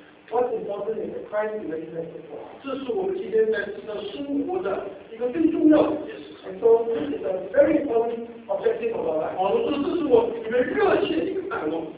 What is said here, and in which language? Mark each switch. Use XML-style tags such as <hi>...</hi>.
<en>What's important is the Christ remains at the door.</en> <zh>这是我们今天在生活的一个最重要的。</zh> <en>And so this is a very important objective of our life.</en> <zh>好的，这是我们热切的一个盼望。</zh>